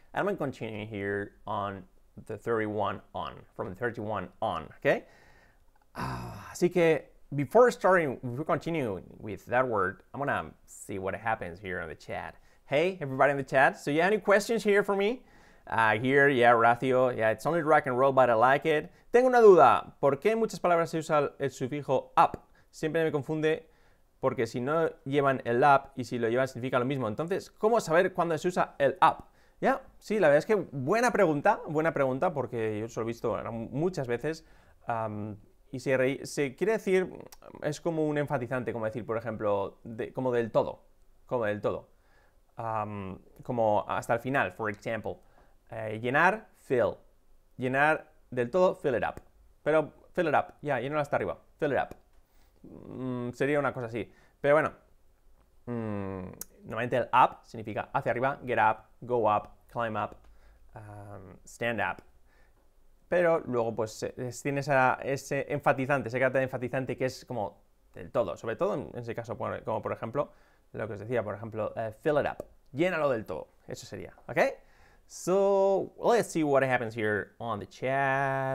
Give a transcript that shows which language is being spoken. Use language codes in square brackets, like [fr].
[en] I'm going to continue here on the 31 on, from the 31 on, okay? [es] Así que, [en] before continuing with that word, I'm going to see what happens here in the chat. Hey, everybody in the chat, so you have any questions here for me? Here, yeah, Horacio, yeah, it's only rock and roll, but I like it. [es] Tengo una duda, ¿por qué en muchas palabras se usa el sufijo up? Siempre me confunde, porque si no llevan el up y si lo llevan significa lo mismo. Entonces, ¿cómo saber cuándo se usa el up? Ya, yeah, sí, la verdad es que buena pregunta, porque yo eso lo he visto muchas veces. Y se quiere decir, es como un enfatizante, como decir, por ejemplo, como del todo. Como hasta el final, [en] for example. [es] Llenar, fill. Llenar del todo, [en] fill it up. [es] Pero fill it up, ya, yeah, llenar hasta arriba, fill it up. Sería una cosa así. Pero bueno, normalmente el up significa hacia arriba, [en] get up, go up, climb up, stand up. [es] Pero luego, pues, tiene ese enfatizante, ese carácter enfatizante que es como del todo. Sobre todo, en ese caso, como por ejemplo, lo que os decía, por ejemplo, [en] fill it up. [es] Llénalo del todo. Eso sería, ¿ok? [en] So, let's see what happens here on the chat.